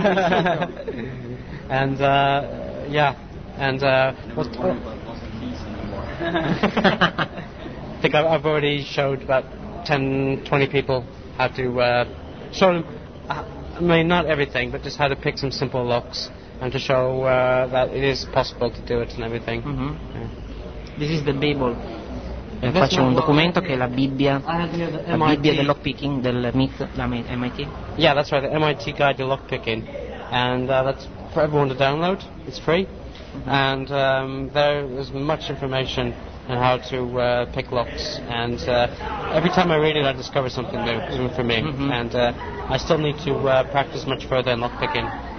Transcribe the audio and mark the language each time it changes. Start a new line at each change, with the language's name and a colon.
English: And I think I've already showed about 10-20 people how to show them, I mean, not everything, but just how to pick some simple locks and to show that it is possible to do it and everything. Mm-hmm. Yeah. This is the Bible.
Italian: Faccio un documento che è la Bibbia, la Bibbia del lockpicking, del myth, la MIT.
English: Yeah, that's right, the MIT Guide to Lockpicking. And that's for everyone to download, it's free. Mm-hmm. And there is much information and how to pick locks, and every time I read it I discover something new for me. Mm-hmm. And I still need to practice much further in lockpicking.